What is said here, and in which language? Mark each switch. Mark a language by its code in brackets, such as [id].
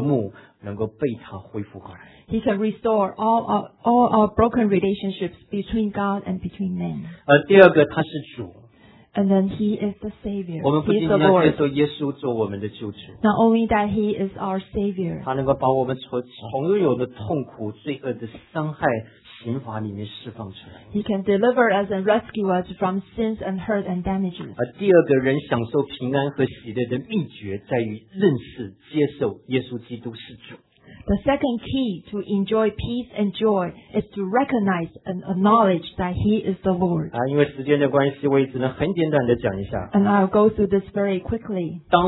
[zh] 他能够让我们所有人跟神,人跟人之间的这个不和睦能够被他恢复过来。 [en] He can restore all our broken relationships between God and between men. [zh] 第二个,他是主。 [en] And then he is the Savior. [zh] 我们不仅要接受耶稣做我们的救主。 [en] Not only that he is our Savior. [zh] 他能够把我们从拥有的痛苦、罪恶的伤害、刑罚里面释放出来。 [en] He can deliver us and rescue us from sins and hurt and damages. [zh] 第二个人享受平安和喜乐的秘诀在于认识、接受耶稣基督是主。 [en] The second key to enjoy peace and joy is to recognize and acknowledge that He is the Lord. [zh] 因为时间的关系，我也只能很简短的讲一下。 [en] And I'll go through this very quickly.